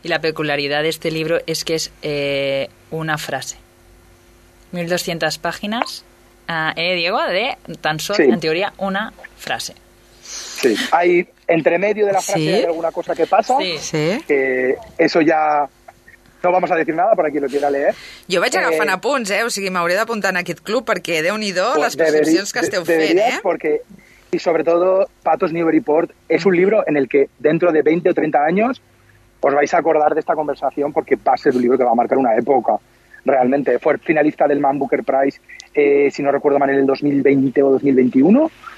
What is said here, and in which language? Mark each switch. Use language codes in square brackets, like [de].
[es] Y la peculiaridad de este libro es que es una frase. 1.200 páginas, Diego, de tan solo, sí, en teoría, una frase. Sí, hay entre medio de la frase, ¿sí?, hay alguna cosa que pasa. Sí, sí. Eso ya... No vamos a decir nada para quien lo quiera leer. [ca] Yo vaig agafant apunts, o sigui, m'hauré d'apuntar en aquest club perquè, déu-n'hi-do, pues, les prescripcions que esteu fent, [es] Porque, y sobre todo, Pathos Newburyport es un libro en el que dentro de 20 o 30 años os vais a acordar de esta conversación porque va a ser un libro que va a marcar una época, realmente. Fue finalista del Man Booker Prize, si no recuerdo mal, en el 2020 o 2021.